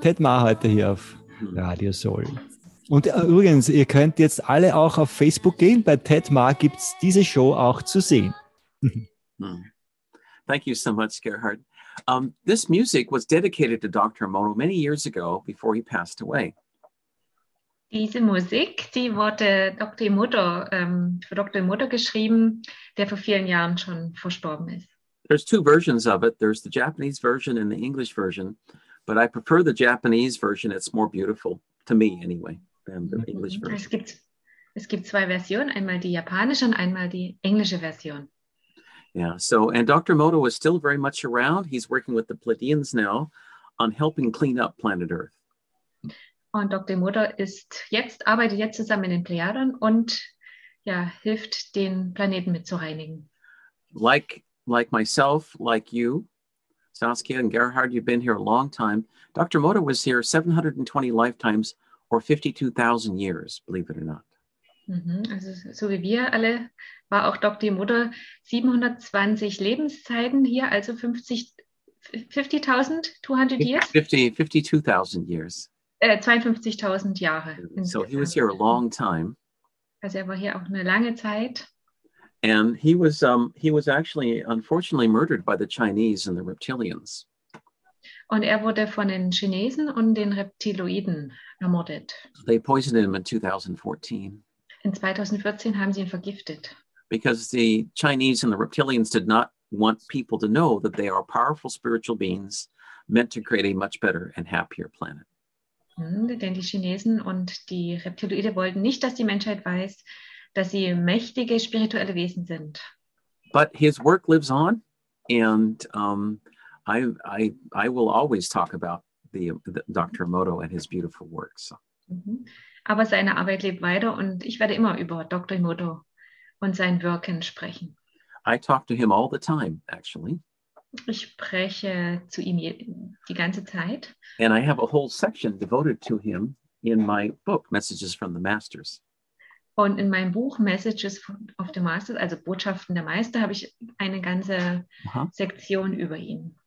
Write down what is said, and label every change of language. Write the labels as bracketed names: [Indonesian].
[German] Ted Ma heute hier auf Radio Soul. Und übrigens, ihr könnt jetzt alle auch auf Facebook gehen. Bei Ted Ma gibt es diese Show auch zu sehen. [English] Thank you so much, Gerhard. This music was dedicated to Dr. Mono many years ago, before he passed away. [German] Diese Musik, die wurde Dr. Emoto, für Dr. Emoto geschrieben, der vor vielen Jahren schon verstorben ist. [English] There's two versions of it. There's the Japanese version and the English version, but I prefer the Japanese version. It's more beautiful to me, anyway, than the English version. [German] Es gibt zwei Versionen, einmal die japanische und einmal die englische Version. [English] Yeah. So, and Dr. Moto is still very much around. He's working with the Pleiadians now on helping clean up planet Earth. [German] Und Dr. Moto arbeitet jetzt zusammen in den Plejaden und ja, hilft den Planeten mit zu reinigen. [English] Like myself, like you, Saskia and Gerhard, you've been here a long time. Dr. Moto was here 720 lifetimes or 52,000 years, believe it or not. Mm-hmm. [German] Also, so wie wir alle, war auch Dr. Moto 720 Lebenszeiten hier, also 50,200 years? [English] 52,000 years. [German] 52,000 Jahre. [English] So he was here a long time. [German] Also er war hier auch eine lange Zeit. [English] And he was actually, unfortunately, murdered by the Chinese and the Reptilians. [German] Und er wurde von den Chinesen und den Reptiloiden ermordet. [English] They poisoned him in 2014. [German] In 2014 haben sie ihn vergiftet. [English] Because the Chinese and the Reptilians did not want people to know that they are powerful spiritual beings meant to create a much better and happier planet. [German] Denn die Chinesen und die Reptiloide wollten nicht, dass die Menschheit weiß, dass sie mächtige spirituelle Wesen sind. [English] But his work lives on, and I will always talk about the Dr. Emoto and his beautiful works. [German] Aber seine Arbeit lebt weiter, und ich werde immer über Dr. Emoto und sein Wirken sprechen. [English] I talk to him all the time, actually. [German] Ich spreche zu ihm die ganze Zeit. [English] And I have a whole section devoted to him in my book, Messages from the Masters. [German] Und in meinem Buch Messages of the Masters, also Botschaften der Meister, habe ich eine ganze Sektion über ihn.